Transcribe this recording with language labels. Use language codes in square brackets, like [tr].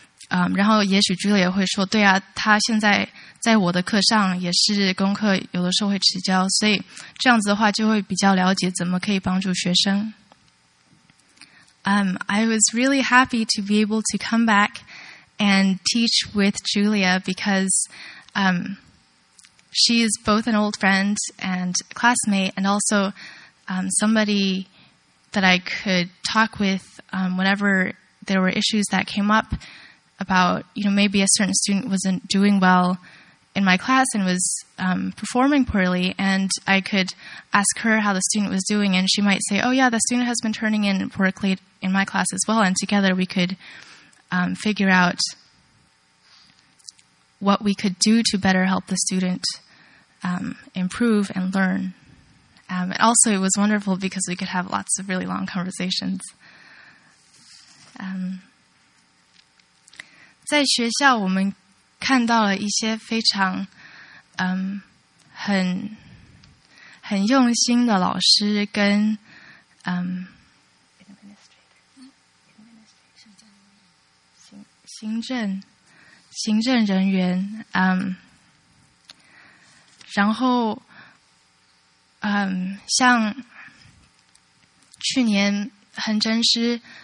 [zh] 然后也许 Julia 会说，对啊，他现在在我的课上也是功课有的时候会迟交，所以这样子的话就会比较了解怎么可以帮助学生。 [en] I was really happy to be able to come back and teach with Julia because she is both an old friend and classmate and also somebody that I could talk with whenever there were issues that came up about, you know, maybe a certain student wasn't doing well in my class and was performing poorly, and I could ask her how the student was doing, and she might say, oh yeah, the student has been turning in poorly in my class as well, and together we could figure out what we could do to better help the student improve and learn. And also, it was wonderful because we could have lots of really long conversations. [zh] 在学校我们看到了一些非常很用心的老师跟行政人员然后像去年恒真师